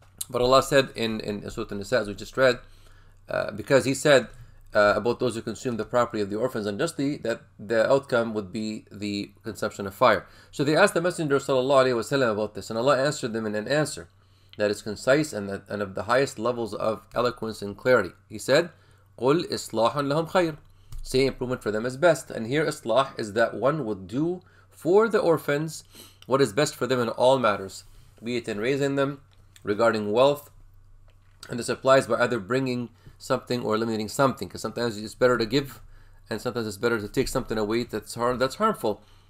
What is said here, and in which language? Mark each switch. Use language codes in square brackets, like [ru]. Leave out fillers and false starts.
[en] But Allah said in Surah An-Nisa, as we just read, because He said about those who consume the property of the orphans unjustly, that the outcome would be the consumption of fire. So they asked the Messenger Sallallahu Alaihi Wasallam about this, and Allah answered them in an answer that is concise and of the highest levels of eloquence and clarity. He said, [ar] قُلْ إِصْلَاحٌ لَهُمْ خَيْرٌ. [en] Say, improvement for them is best. And here, إِصْلَاح is that one would do for the orphans what is best for them in all matters, be it in raising them, regarding wealth, and this applies by either bringing something or eliminating something, because sometimes it's better to give and sometimes it's better to take something away that's harmful.